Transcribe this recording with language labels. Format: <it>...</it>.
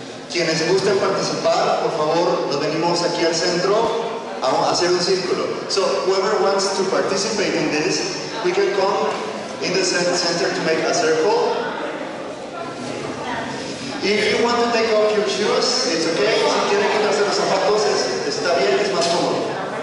<es>quienes gusten participar, por favor, nos venimos aquí al centro a hacer un círculo.</es> <en>So whoever wants to participate in this, we can come in the center to make a circle. If you want to take off your shoes, it's okay.</en> <es>Si quieren quitarse los zapatos, está bien, es más cómodo.</es>